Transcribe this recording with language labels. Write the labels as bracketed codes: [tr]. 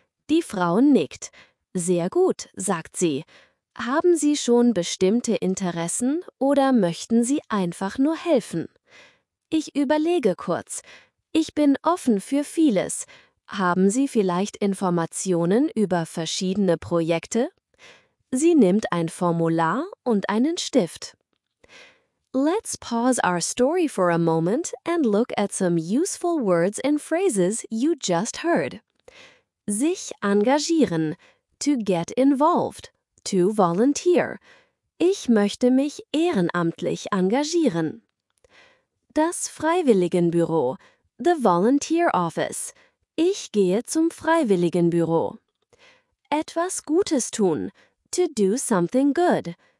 [de] Die Frau nickt. Sehr gut, sagt sie. Haben Sie schon bestimmte Interessen oder möchten Sie einfach nur helfen? Ich überlege kurz. Ich bin offen für vieles. Haben Sie vielleicht Informationen über verschiedene Projekte? Sie nimmt ein Formular und einen Stift. [en] Let's pause our story for a moment and look at some useful words and phrases you just heard. [de] Sich engagieren, [en] to get involved, to volunteer. [de] Ich möchte mich ehrenamtlich engagieren. Das Freiwilligenbüro, [en] the volunteer office. [de] Ich gehe zum Freiwilligenbüro. Etwas Gutes tun, [en] to do something good.